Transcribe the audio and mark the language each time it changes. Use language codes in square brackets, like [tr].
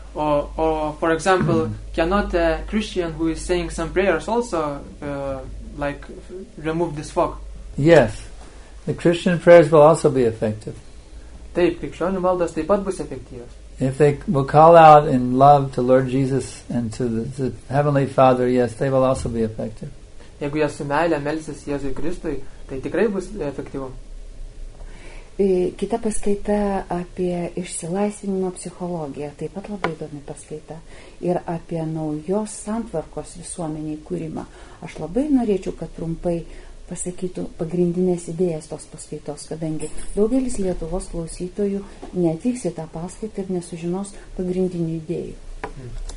[en] Or for example, cannot a Christian who is saying some prayers also like remove this fog? Yes, the Christian prayers will also be effective. [lt] Taip, krikščionių maldos taip pat bus efektyvios. [en] If they will call out in love to Lord Jesus and to the Heavenly Father, yes, they will also be effective. [lt] Jeigu jie su meilė melsis Jėzui Kristui, tai tikrai bus efektyvu. Kita paskaita apie išsilaisvinimo psichologiją, taip pat labai įdomi paskaita, ir apie naujos santvarkos visuomeniai kūrimą. Aš labai norėčiau, kad trumpai pasakytų pagrindinės idėjas tos paskaitos, kadangi daugelis Lietuvos klausytojų neatvyks į tą paskaitą ir nesužinos pagrindinių idėjų.